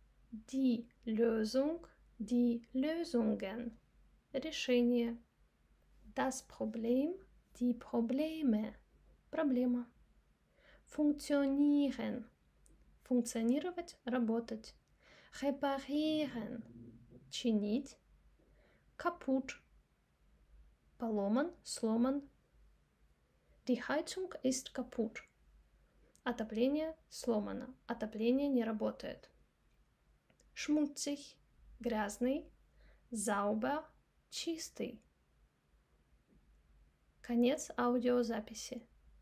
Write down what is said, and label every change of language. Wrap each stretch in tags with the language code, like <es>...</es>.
<de>Die Lösung, die Lösungen,</de> <ru>решение.</ru> <de>Das Problem, die Probleme,</de> <ru>проблема.</ru> <de>Funktionieren,</de> <ru>функционировать, работать.</ru> <de>Reparieren,</de> <ru>чинить.</ru> <de>Kaputt,</de> <ru>Поломан, сломан.</ru> <de>Die Heizung ist kaputt.</de> <ru>Отопление сломано. Отопление не работает.</ru> <de>Schmutzig,</de> <ru>грязный.</ru> <de>Sauber,</de> <ru>чистый. Конец аудиозаписи.</ru>